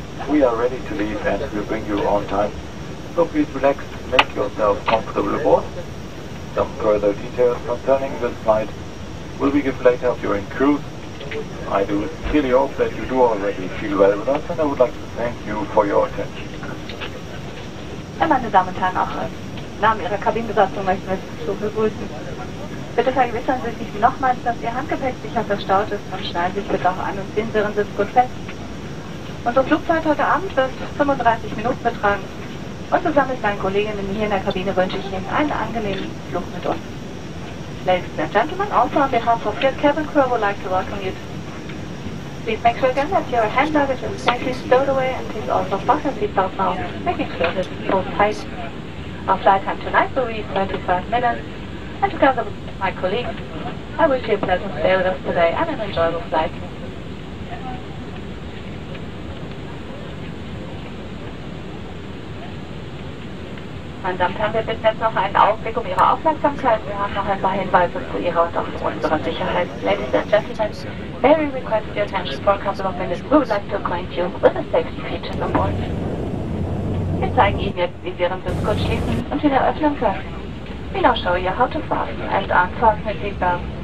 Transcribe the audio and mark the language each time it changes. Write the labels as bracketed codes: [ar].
[en] We are ready to leave and we'll bring you on time. So please relax, make yourself comfortable aboard. Some further details concerning this flight will be given later during cruise. I do sincerely hope that you do already feel well with us and I would like to thank you for your attention. [de] Meine Damen und Herren, auch im Namen Ihrer Kabinenbesatzung möchten wir Sie begrüßen. Bitte vergewissern Sie sich nochmals, dass Ihr Handgepäck sicher verstaut ist und schneiden Sie sich bitte auch an und ziehen Sie Ihren Sitz gut fest. Unsere Flugzeit heute Abend wird 35 Minuten betragen und zusammen mit meinen Kolleginnen hier in der Kabine wünsche ich Ihnen einen angenehmen Flug mit uns. [en] Ladies and Gentlemen, also on behalf of your cabin crew, I would like to welcome you. Please make sure again that your hand luggage is safely stowed away and please also fasten your seatbelt now, making sure that it's all tight. Our flight time tonight will be 35 minutes. And together with my colleagues, I wish you a pleasant stay with us today and an enjoyable flight. [de] Meine Damen und Herren, wir bitten jetzt noch einen Augenblick um Ihre Aufmerksamkeit. Wir haben noch ein paar Hinweise zu Ihrer und auch zu unserer Sicherheit. [en] Ladies and gentlemen, may we request your attention for a couple of minutes. We would like to acquaint you with the safety features on board. [de] Wir zeigen Ihnen jetzt, wie Sie Ihren Sitz kurz schließen und wieder öffnen können. [en] We now show you how to fasten and unfasten the seatbelt.